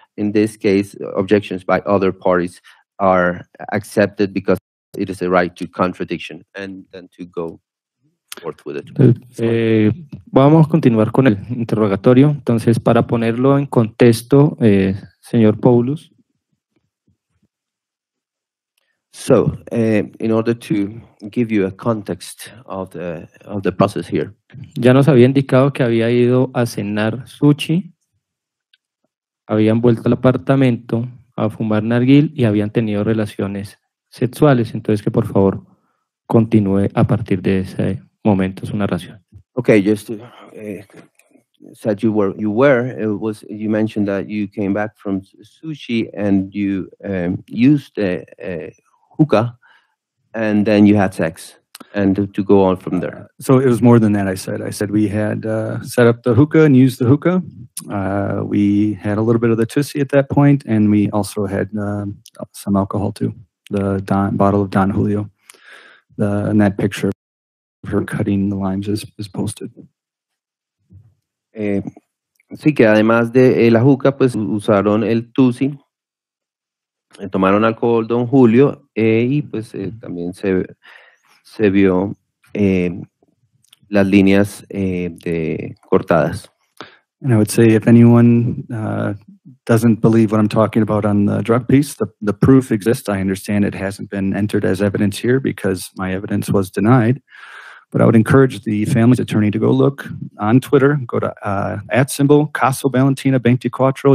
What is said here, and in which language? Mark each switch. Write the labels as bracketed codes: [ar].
[en] in this case, objections by other parties are accepted because it is a right to contradiction and then to go forth with it. [es] Vamos a continuar con el interrogatorio. Entonces, para ponerlo en contexto, señor Poulos. [en] So, in order to give you a context of the process here. [es] Ya nos había indicado que había ido a cenar sushi, habían vuelto al apartamento a fumar narguil y habían tenido relaciones sexuales. Entonces, que por favor continúe a partir de ese momento su narración. [en] Okay, just to, said it was you mentioned that you came back from sushi and you used the hookah, and then you had sex, and to go on from there. So it was more than that. I said we had set up the hookah and used the hookah. We had a little bit of the tussy at that point, and we also had some alcohol too, the bottle of Don Julio. And that picture of her cutting the limes is posted. [es] Sí, que además de la hookah, pues usaron el tussy. Tomaron alcohol Don Julio y pues también se vio las líneas de cortadas. [en] And I would say if anyone doesn't believe what I'm talking about on the drug piece, the proof exists. I understand it hasn't been entered as evidence here because my evidence was denied. But I would encourage the family's attorney to go look on Twitter, go to @ Caso Valentina 24.